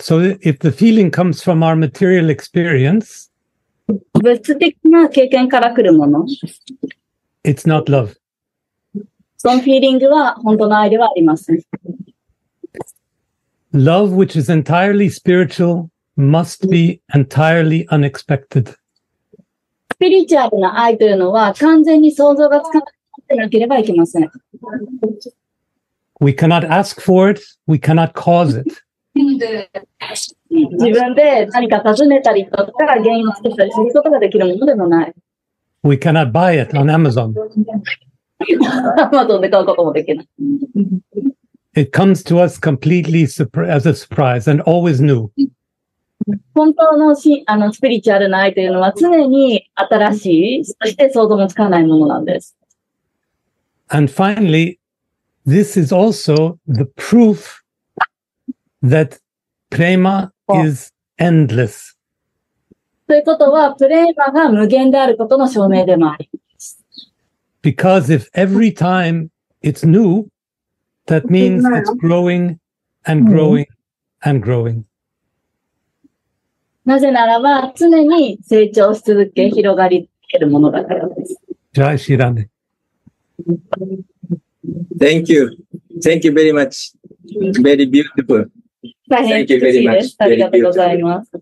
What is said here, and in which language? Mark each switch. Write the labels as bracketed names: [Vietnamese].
[English] So if the feeling comes from our material experience, it's not love. [Japanese] その feeling は本当の愛ではありません。 [English] Love, which is entirely spiritual, must be entirely unexpected. [Japanese] スピリチュアルな愛というのは完全に想像がつかなければいけません。 [English] We cannot ask for it, we cannot cause it. [Japanese] 自分で何か尋ねたりとか原因を作ったりすることができるものでもない。 [English] We cannot buy it on Amazon. [Japanese] Amazon で買うこともできない。 [English] It comes to us completely as a surprise and always new. [Japanese] 本当の、あのスピリチュアルな愛というのは常に新しい、そして想像もつかないものなんです。 [English] And finally,This is also the proof that prema is endless. [Japanese] ということは、プレマが無限であることの証明でもあります。 [English] Because if every time it's new, that means it's growing and growing and growing. [Japanese] なぜならば、常に成長し続け、広がり続けるものだからです。ジャイシラネ。 [English] Thank you. Thank you very much. Very beautiful. Thank you very much. [Japanese] ありがとうございます。